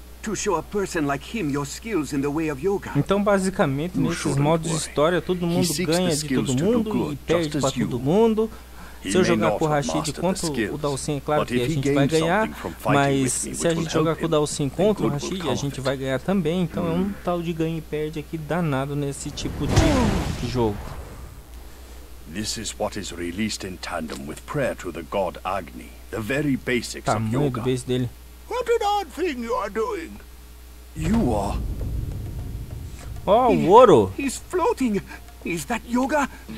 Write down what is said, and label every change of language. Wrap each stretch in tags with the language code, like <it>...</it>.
<en>To show a person like him your skills in the way of yoga.</en> <pt>Então, basicamente, nesses modos de história, todo mundo ganha de todo mundo e perde para todo mundo. Se eu jogar com o Rashid contra o Dhalsim, é claro que a gente vai ganhar, mas se a gente jogar com o Dhalsim contra o Rashid, a gente vai ganhar também. Então, é um tal de ganha e perde aqui danado nesse tipo de jogo.</pt> <en>This is what is released in tandem with prayer to the god Agni, the very basics of yoga. What an odd thing you are doing. You are. Oh, Woro. He's floating. Is that yoga?</en>